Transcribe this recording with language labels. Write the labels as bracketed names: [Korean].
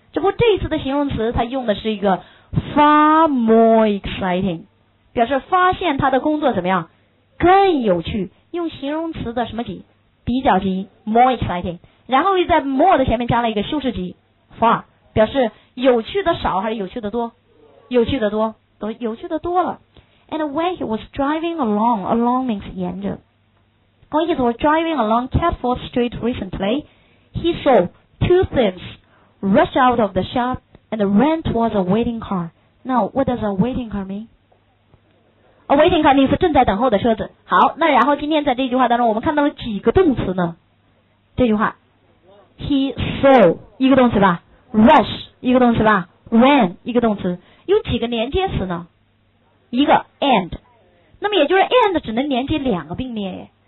[Chinese] 只不过这一次的形容词他用的是一个 [English] far more exciting， [Chinese] 表示发现他的工作怎么样？更有趣。用形容词的什么级？比较级 [English] more exciting， [Chinese] 然后又在 more 的前面加了一个修饰级 far， 表示有趣的少还是有趣的多？有趣的多，都有趣的多了。 [English] And when he was driving along, along means [Chinese] 沿着。 [English] When he was driving along Catford Street recently, he saw two thieves rush out of the shop and ran towards a waiting car. Now, what does a waiting car mean? A waiting car [Chinese] 是正在等候的车子。好，那然后今天在这句话当中，我们看到了几个动词呢？这句话 ， [English] he saw [Chinese] 一个动词吧 ，rush 一个动词吧 ，ran 一个动词，有几个连接词呢？一个 and， 那么也就是 and 只能连接两个并列耶。